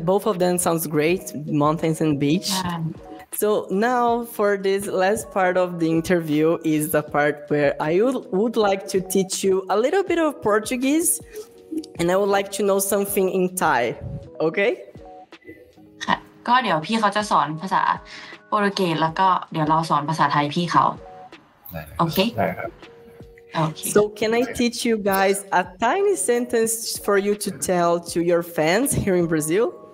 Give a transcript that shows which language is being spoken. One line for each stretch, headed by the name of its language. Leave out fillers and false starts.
English: Both of them sounds great, mountains and beach. Yeah. So now for this last part of the interview is the part where I would like to teach you a little bit of Portuguese and I would like to know something in Thai, okay?
Thai: ก็เดี๋ยวพี่เขาจะสอนภาษาโปรตุเกสแล้วก็เดี๋ยวเราสอนภาษาไทยพี่เขา Okay? ได้ครับ
English: So can I teach you guys a tiny sentence for you to tell to your fans here in Brazil?